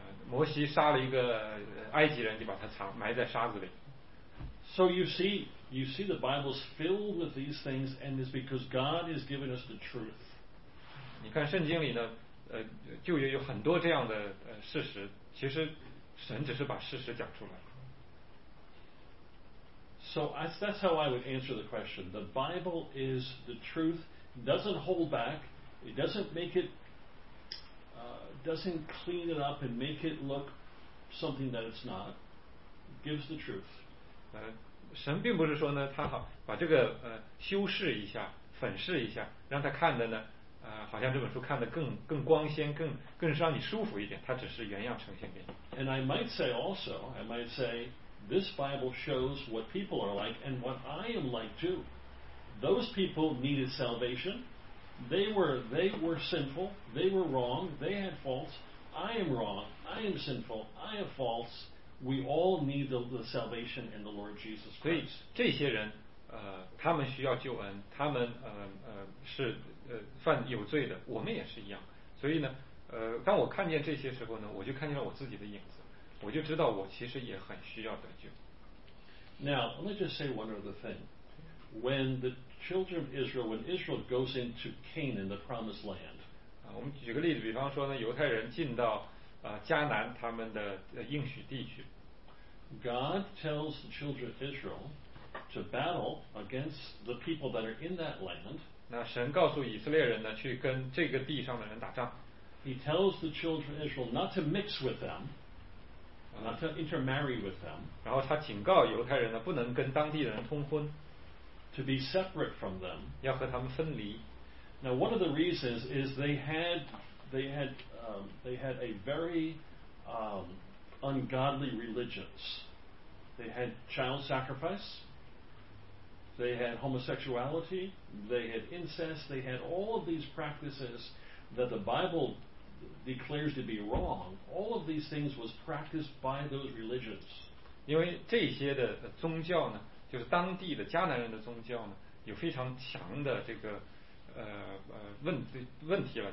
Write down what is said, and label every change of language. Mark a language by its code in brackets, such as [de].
[zh] 摩西杀了一个埃及人，就把他藏埋在沙子里。 [en] So you see the Bible is filled with these things, and it's because God has given us the truth. [zh] 你看圣经里呢，旧约有很多这样的事实，其实神只是把事实讲出来。 [en] So that's how I would answer the question. The Bible is the truth. It doesn't hold back. It doesn't make it, doesn't clean it up and make it look something that it's not. It gives the truth. [zh] 神并不是说呢，他好把这个修饰一下，粉饰一下，让他看的呢，好像这本书看得更光鲜，更让你舒服一点。他只是原样呈现给你。 [en] And I might say also, I might say. This Bible shows what people are like and what I am like too. Those people needed salvation. They were sinful. They were wrong. They had faults. I am wrong. I am sinful. I have faults. We all need the salvation in the Lord Jesus Christ. [zh] 所以这些人，他们需要救恩，他们是犯有罪的，我们也是一样。所以呢，当我看见这些时候呢，我就看见了我自己的影子。我就知道我其实也很需要得救。 [en] Now, let me just say one other thing. When the children of Israel, when Israel goes into Canaan, the promised land, [zh] 我们举个例子，比方说呢，犹太人进到迦南他们的应许地区。 [en] God tells the children of Israel to battle against the people that are in that land. [zh] 那神告诉以色列人呢，去跟这个地上的人打仗。 [en] He tells the children of Israel not to mix with them. Not to intermarry with them. [zh] 然后他警告犹太人呢，不能跟当地人通婚。 [en] To be separate from them. [zh] 要和他们分离。 [en] Now one of the reasons is they had a very ungodly religions. They had child sacrifice. They had homosexuality. They had incest. They had all of these practices that the Bible. Declares to be wrong. All of these things was practiced by those religions. [zh] 因为这些的宗教呢，就是当地的迦南人的宗教呢，有非常强的这个问题了。